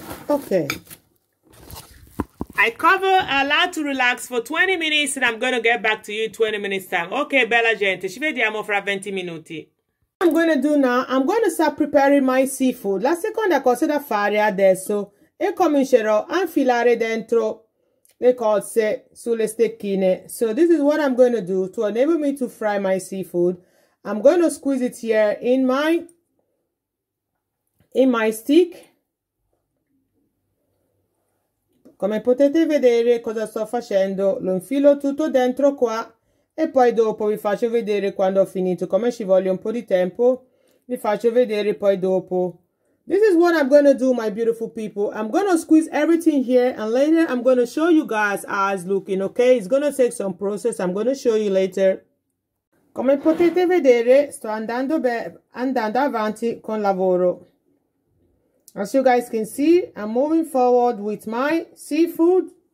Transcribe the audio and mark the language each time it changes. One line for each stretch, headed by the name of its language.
English: Okay. I cover a lot to relax for 20 minutes and I'm going to get back to you in 20 minutes time.
Italian: Okay, bella gente, ci vediamo fra 20 minuti.
English: I'm going to do now, I'm going to start preparing my seafood.
Italian: La seconda cosa da fare adesso e comincerò a infilare dentro le cozze sulle stecchine.
English: So this is what I'm going to do to enable me to fry my seafood. I'm going to squeeze it here in my stick.
Italian: Come potete vedere cosa sto facendo, lo infilo tutto dentro qua e poi dopo vi faccio vedere quando ho finito. Come ci voglio un po' di tempo, vi faccio vedere poi dopo.
English: This is what I'm going to do, my beautiful people. I'm going to squeeze everything here and later I'm going to show you guys how it's looking, okay? It's going to take some process, I'm going to show you later.
Italian: Come potete vedere, sto andando avanti con lavoro.
English: As you guys can see, I'm moving forward with my seafood.